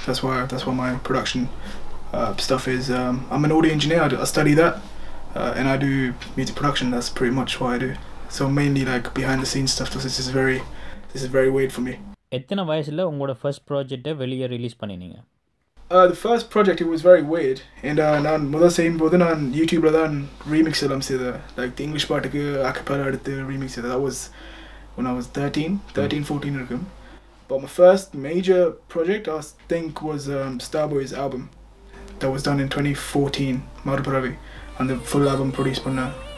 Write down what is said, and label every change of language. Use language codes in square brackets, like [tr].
[en] That's where my production stuff is. I'm an audio engineer. I study that, and I do music production. That's pretty much what I do. So mainly like behind the scenes stuff. This is very weird for me. [ta] எத்தனை வயசுல உங்களோட first ப்ராஜெக்ட்டை வெளியே release பண்ணினீங்க? [en] The first project, it was very weird. [ta] And நான் முதல் செய்யும்போது நான் யூடியூப்பில் தான் ரீமிக்ஸ் எல்லாம் செய்தேன். [en] like the English [ta] பாட்டுக்கு அக்கப்பல எடுத்து ரீமிக்ஸ் செய்தேன். [en] that was one I was 13, 14 [ta] இருக்கும். [en] But my first major project I think was Star Boys album. That was done in 2014 [ta] மறுபிறவி. அந்த ஃபுல் ஆல்பம் ப்ரொடியூஸ் பண்ண